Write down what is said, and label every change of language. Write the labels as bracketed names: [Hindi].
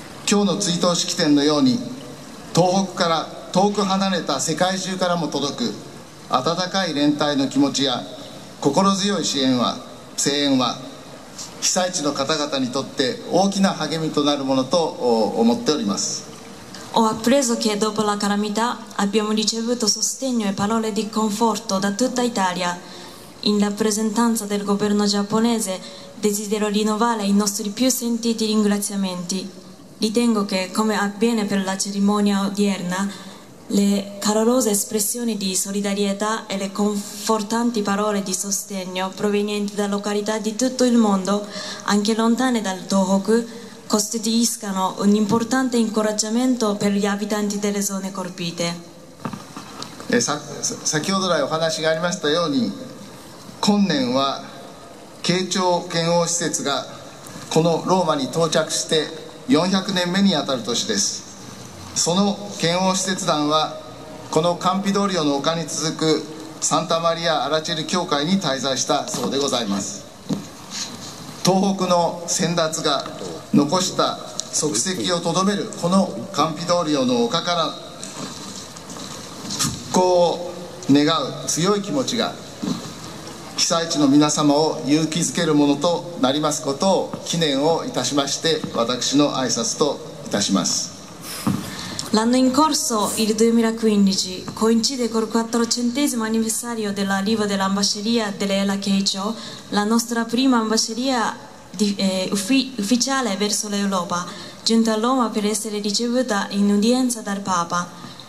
[Japanese] 今日の追悼式典のように東北から遠く離れた世界中からも届く温かい連帯の気持ちや心強い支援は声援は被災地の方々にとって大きな励みとなるものと思っております。 [Italian] Ho appreso che dopo la calamità abbiamo ricevuto sostegno e parole di conforto da tutta Italia. In rappresentanza del governo giapponese desidero rinnovare i nostri più sentiti ringraziamenti. Ritengo che, come avviene per la cerimonia odierna, le calorose espressioni di solidarietà e le confortanti parole di sostegno provenienti da località di tutto il mondo, anche lontane dal Tohoku, costituiscano un importante incoraggiamento per gli abitanti delle zone colpite. [Japanese] 先ほど来お話がありましたように、今年は慶長遣欧使節がこのローマに到着して400年目にあたる年です。その遣欧使節団はこのカンピドリオの丘に続くサンタマリア・アラチェル教会に滞在したそうでございます。東北の先達が残した足跡をとどめるこのカンピドリオの丘から復興を願う強い気持ちが被災地の皆様を勇気づけるものとなりますことを記念をいたしまして私の挨拶といたします。 [Italian] L'anno in corso, il 2015, coincide col 400° anniversario dell'arrivo dell'ambasceria dell'Ela Keicho, la nostra prima ambasceria ufficiale verso l'Europa, giunta a Roma per essere ricevuta in udienza dal Papa.